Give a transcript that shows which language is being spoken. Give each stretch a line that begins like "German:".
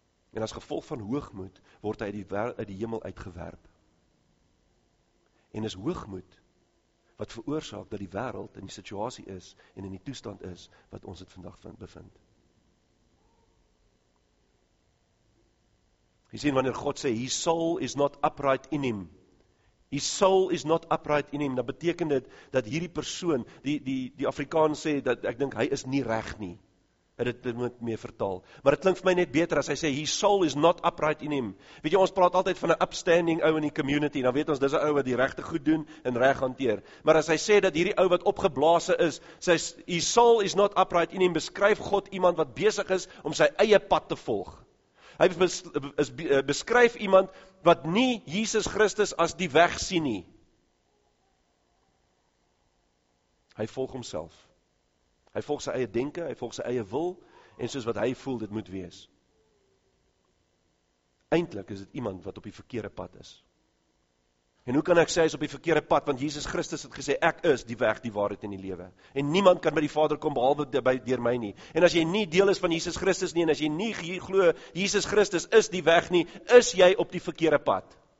Afrikaans: En as gevolg van hoogmoed, word hy uit die hemel uitgewerp. En is hoogmoed, wat veroorsaak, dat die wêreld in die situasie is, en in die toestand is, wat ons het vandag bevind. Jy sien, wanneer God sê,
English: his soul is not upright in him, His soul is not upright in him.
Afrikaans: Dat beteken dit, dat hierdie persoon, die Afrikaans sê, dat ek dink, hy is nie reg nie. En dit moet mee vertaal. Maar dit klink vir my net beter, as hy sê,
English: his soul is not upright in him.
Afrikaans: Weet jy, ons praat altyd van 'n upstanding ou in die community, dan weet ons, dis 'n ou wat die regte goed doen, en reg hanteer. Maar as hy sê, dat hierdie ou wat opgeblaase is, sê,
English: his soul is not upright in him,
Afrikaans: beskryf God iemand wat besig is, om sy eie pad te volg. Hy beskryf iemand wat nie Jesus Christus as die weg sien nie. Hy volg homself. Hy volg sy eie denke, hy volg sy eie wil, en soos wat hy voel, dit moet wees. Eindelijk is dit iemand wat op die verkeerde pad is. En hoe kan ek sê, hy is op die verkeerde pad, want Jesus Christus het gesê, ek is die weg, die waarheid en die lewe. En niemand kan by die Vader kom, behalwe deur my nie. En as jy nie deel is van Jesus Christus nie, en as jy nie glo, Jesus Christus is die weg nie, is jy op die verkeerde pad.